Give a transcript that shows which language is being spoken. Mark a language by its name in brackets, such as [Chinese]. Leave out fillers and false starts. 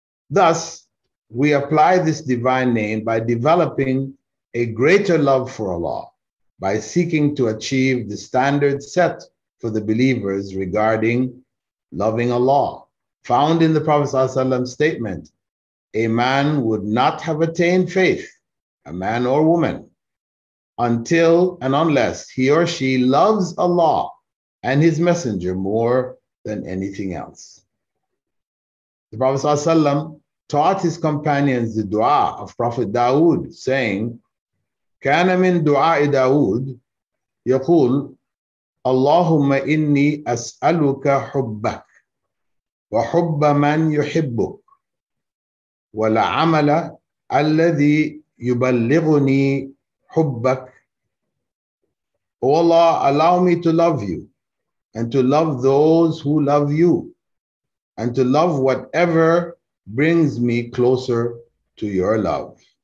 [English] Thus, we apply this divine name by developing a greater love for Allah, by seeking to achieve the standard set for the believers regarding loving Allah, found in the Prophet's statement, a man would not have attained faith, a man or woman, until and unless he or she loves Allah and his messenger more than anything else. The Prophet ﷺ taught his companions the dua of Prophet Dawood, saying, [Arabic] كَانَ مِن دُعَاءِ دَاوُدْ يَقُولْ اللَّهُمَّ إِنِّي أَسْأَلُكَ حُبَّكَ وَحُبَّ مَن يُحِبُّكَ وَلَعَمَلَ الَّذِي يُبَلِّغُنِي حُبَّكَ. [English] O Allah, allow me to love you and to love those who love you and to love whatever brings me closer to your love.